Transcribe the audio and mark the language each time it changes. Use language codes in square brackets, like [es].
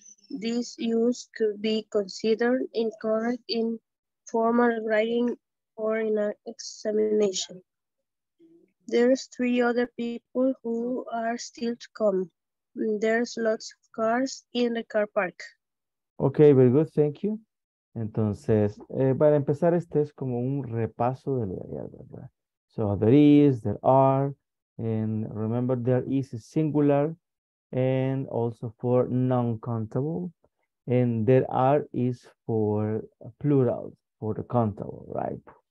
[en] This use could be considered incorrect in formal writing or in an examination. There's three other people who are still to come. There's lots of cars in the car park. Okay, very good. Thank you. [es] Entonces, para empezar, este es como un repaso de lo de ayer, ¿verdad? [en] So, there is, there are, and remember, there is singular, and also for non-countable, and there are is for plural, for the countable, right?